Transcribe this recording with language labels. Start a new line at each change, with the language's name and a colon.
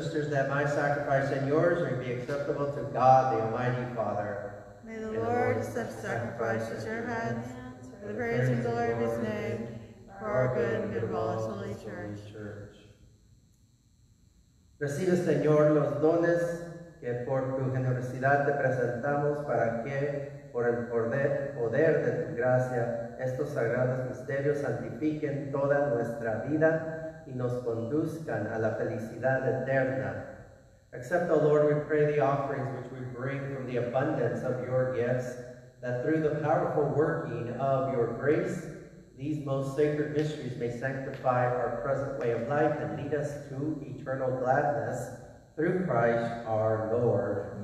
English: That my sacrifice and yours may be acceptable to God, the Almighty Father. May the Lord accept sacrifice at your hands for the praise of the Lord of his name, for our good and good of all his holy church.
Spanish: Recibe, Señor, los dones que por tu generosidad te presentamos para que, por el poder de tu gracia, estos sagrados misterios santifiquen toda nuestra vida y nos conduzcan a la felicidad eterna.
English: Accept, O Lord, we pray, the offerings which we bring from the abundance of your gifts, that through the powerful working of your grace, these most sacred mysteries may sanctify our present way of life and lead us to eternal gladness through Christ our Lord.